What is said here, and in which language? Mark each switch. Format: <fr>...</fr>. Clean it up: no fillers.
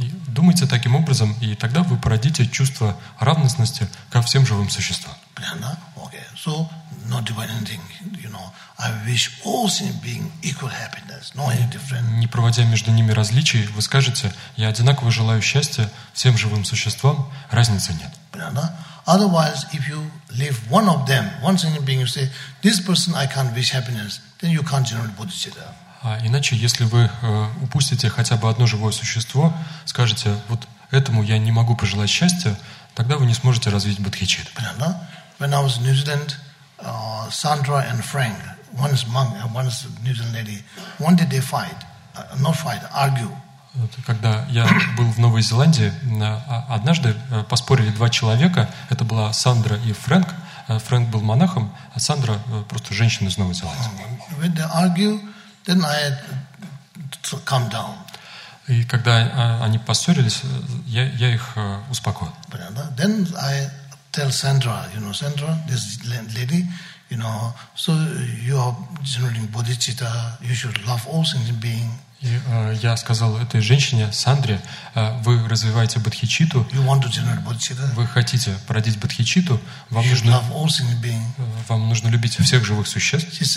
<ru>Думайте таким образом, и тогда вы породите чувство равностности ко всем живым существам.</ru> <en>Okay, so no dividing, you know, I wish all sentient beings equal happiness, no any different.</en> <ru>Не проводя между ними различий, вы скажете, я одинаково желаю счастья всем живым существам, разницы нет.</ru> <en>Otherwise, if you leave one of them, one sentient being, you say, this person I can't wish happiness, then you can't generate bodhicitta.</en> <ru>А иначе, если вы упустите хотя бы одно живое существо, скажете, вот этому я не могу пожелать счастья, тогда вы не сможете развить бодхичит. Правильно?</ru> <en>When I was in New Zealand, Sandra and Frank, one is monk and one is New Zealand lady, when did they fight? Not fight, argue.</en> <ru>Когда я был в Новой Зеландии, однажды поспорили два человека, это была Сандра и Фрэнк. Фрэнк был монахом, а Сандра просто женщина из Новой Зеландии.</ru> <en>When they argue, then I calm down.</en> <ru>И когда они поссорились, я их успокоил. Понятно?</ru> <en>Then I tell Sandra, you know, Sandra, this lady, you know, so you are generating bodhicitta, you should love all sentient beings.</en> <ru>И я сказал этой женщине, Сандре, вы развиваете бодхичитту, вы хотите породить бодхичитту, вам нужно любить всех живых существ.</ru>